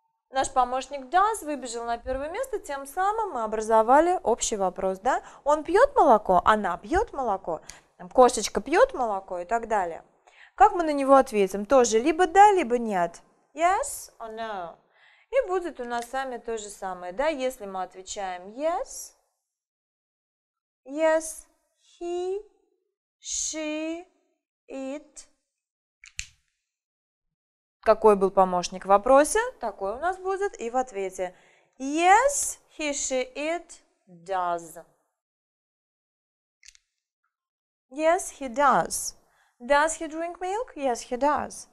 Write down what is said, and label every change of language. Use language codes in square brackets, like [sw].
[ru] Наш помощник does выбежал на первое место, тем самым мы образовали общий вопрос, да? Он пьет молоко? Она пьет молоко? Кошечка пьет молоко и так далее. Как мы на него ответим? Тоже либо да, либо нет. [en] Yes or no. [ru] И будет у нас сами то же самое, да? Если мы отвечаем [en] yes, yes, he, she, it. [ru] Какой был помощник в вопросе, такой у нас будет и в ответе. [en] Yes, he, she, it does. Yes, he does. Does he drink milk? Yes, he does.